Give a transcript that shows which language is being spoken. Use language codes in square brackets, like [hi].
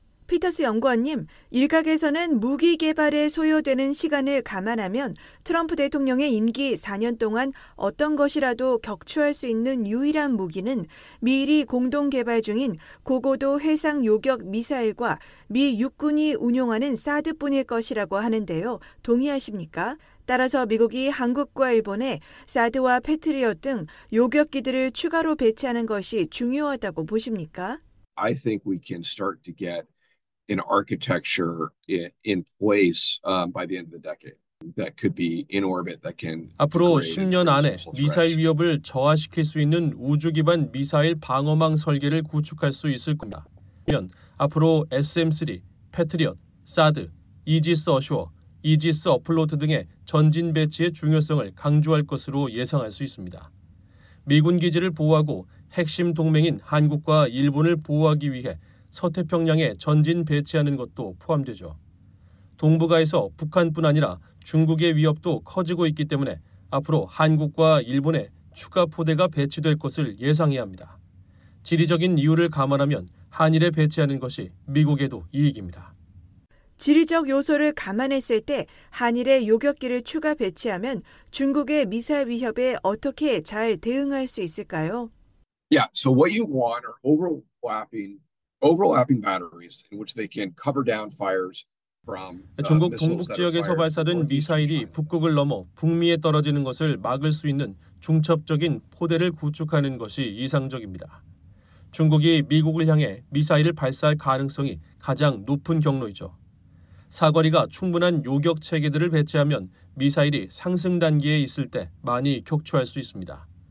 [ko] 피터스 연구원님, 일각에서는 무기 개발에 소요되는 시간을 감안하면 트럼프 대통령의 임기 4년 동안 어떤 것이라도 격추할 수 있는 유일한 무기는 미일이 공동 개발 중인 고고도 해상 요격 미사일과 미 육군이 운용하는 사드뿐일 것이라고 하는데요. 동의하십니까? 따라서 미국이 한국과 일본에 사드와 패트리엇 등 요격기들을 추가로 배치하는 것이 중요하다고 보십니까? [en] I think we can start to get an architecture in place by the end of the decade that could be in orbit that can [ko] 앞으로 10년 안에 미사일 위협을 저하시킬 수 있는 우주 기반 미사일 방어망 설계를 구축할 수 있을 겁니다. 그러면 앞으로 SM-3, 패트리엇, 사드, 이지스 어슈어, 이지스 어플로트 등의 전진 배치의 중요성을 강조할 것으로 예상할 수 있습니다. 미군 기지를 보호하고 핵심 동맹인 한국과 일본을 보호하기 위해 서태평양에 전진 배치하는 것도 포함되죠. 동북아에서 북한뿐 아니라 중국의 위협도 커지고 있기 때문에 앞으로 한국과 일본에 추가 포대가 배치될 것을 예상해야 합니다. 지리적인 이유를 감안하면 한일에 배치하는 것이 미국에도 이익입니다. 지리적 요소를 감안했을 때 한일의 요격기를 추가 배치하면 중국의 미사일 위협에 어떻게 잘 대응할 수 있을까요? [en] Yeah, so what you want are overlapping batteries in which they can cover down fires from [ko] 중국 동북 지역에서 발사된 미사일이 북극을 넘어 북미에 떨어지는 것을 막을 수 있는 중첩적인 포대를 구축하는 것이 이상적입니다. 중국이 미국을 향해 미사일을 발사할 가능성이 가장 높은 경로이죠. 사거리가 충분한 요격 체계들을 배치하면 미사일이 상승 단계에 있을 때 많이 격추할 수 있습니다.